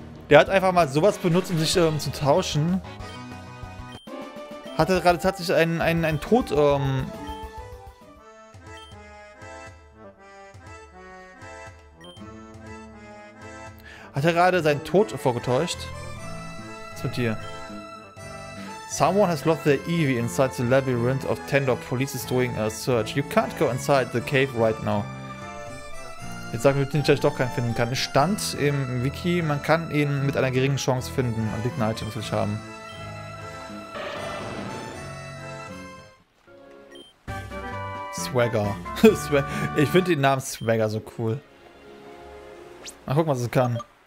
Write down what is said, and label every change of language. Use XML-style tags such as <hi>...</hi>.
<de>Der hat einfach mal sowas benutzt, um sich zu tauschen. Hat er gerade tatsächlich einen Tod, Hat er gerade seinen Tod vorgetäuscht? Was mit dir?</de> <en>Someone has lost their Eevee inside the labyrinth of Tendor. Police is doing a search. You can't go inside the cave right now.</en> <de>Jetzt sag mir bitte nicht, dass ich doch keinen finden kann. Es stand im Wiki, man kann ihn mit einer geringen Chance finden. Und liegt ein Item, was ich haben. Swagger. Ich finde den Namen Swagger so cool. Mal gucken, was es kann.</de>